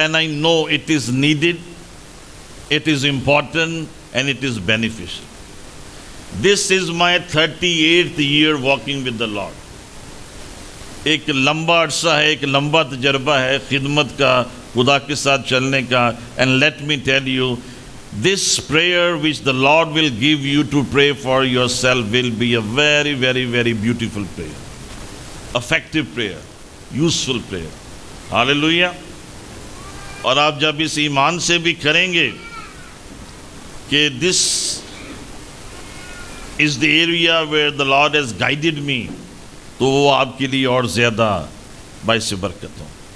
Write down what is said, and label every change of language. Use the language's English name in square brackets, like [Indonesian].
[English] And I know it is needed, it is important, and it is beneficial. This is my 38th year walking with the Lord. [Urdu] ایک لمبا عرصہ ہے, ایک لمبا تجربہ ہے خدمت کا, خدا کے ساتھ چلنے کا. [English] And let me tell you, this prayer which the Lord will give you to pray for yourself will be a very very very beautiful prayer, effective prayer, useful prayer. Hallelujah. [Urdu] اور آپ جب اس ایمان سے بھی کریں گے کہ [English] this is the area where the Lord has guided me, [Urdu] تو وہ آپ کے لیے اور زیادہ باعث برکت ہوں.